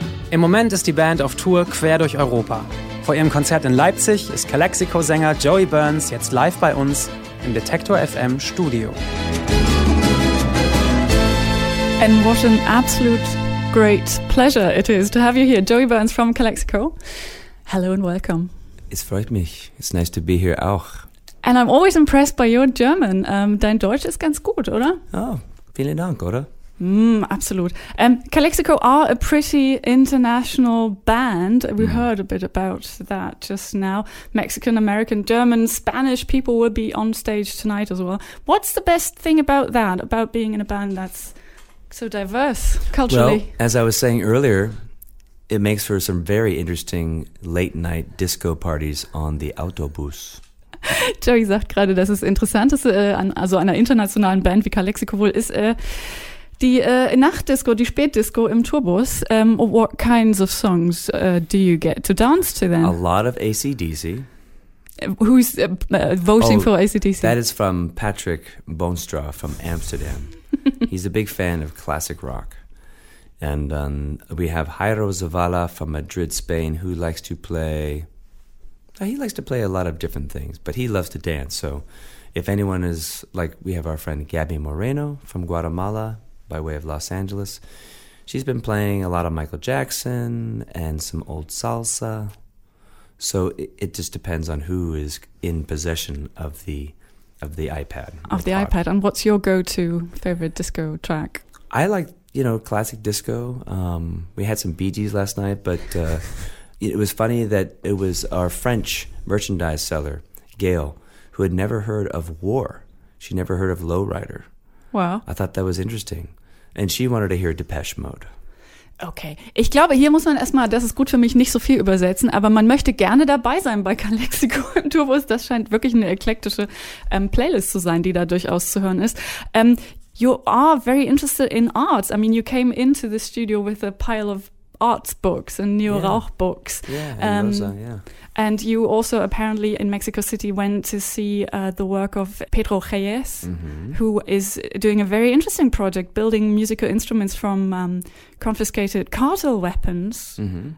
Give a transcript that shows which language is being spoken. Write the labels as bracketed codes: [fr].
[de] Im Moment ist die Band auf Tour quer durch Europa. Vor ihrem Konzert in Leipzig ist Calexico-Sänger Joey Burns jetzt live bei uns im Detektor FM Studio. [en] And what an absolute great pleasure it is to have you here, Joey Burns from Calexico. Hello and welcome. [de] Es freut mich. [en] It's nice to be here auch. And I'm always impressed by your German. [de] Dein Deutsch ist ganz gut, oder? Oh, vielen Dank, oder? Absolut. [en] Calexico are a pretty international band. We heard a bit about that just now. Mexican, American, German, Spanish people will be on stage tonight as well. What's the best thing about that, about being in a band that's so diverse culturally? Well, as I was saying earlier, it makes for some very interesting late night disco parties on the autobus. [de] Joey sagt gerade, dass es interessant ist, also einer internationalen Band wie Calexico wohl ist, die Nachtdisco, die Spätdisco im Tourbus. [en] What kinds of songs do you get to dance to then? A lot of AC/DC. Who's voting for AC/DC? That is from Patrick Boonstra from Amsterdam. He's a big fan of classic rock. And we have Jairo Zavala from Madrid, Spain, who likes to play. He likes to play a lot of different things, but he loves to dance. So if anyone is, like, we have our friend Gabby Moreno from Guatemala, by way of Los Angeles. She's been playing a lot of Michael Jackson and some old salsa. So it just depends on who is in possession of the iPad. Of the iPad. And what's your go-to favorite disco track? I like, you know, classic disco. We had some Bee Gees last night, but it was funny that it was our French merchandise seller, Gail, who had never heard of War. She never heard of Lowrider. Wow. I thought that was interesting. And she wanted to hear Depeche Mode. Okay. [de] Ich glaube, hier muss man erstmal, das ist gut für mich, nicht so viel übersetzen, aber man möchte gerne dabei sein bei Calexico im Tourbus. Das scheint wirklich eine eklektische Playlist zu sein, die da durchaus zu hören ist. [en] You are very interested in arts. I mean, you came into the studio with a pile of arts books and Neo Rauch books. Yeah, and Rosa. And you also apparently in Mexico City went to see the work of Pedro Reyes, who is doing a very interesting project, building musical instruments from confiscated cartel weapons. Mm-hmm.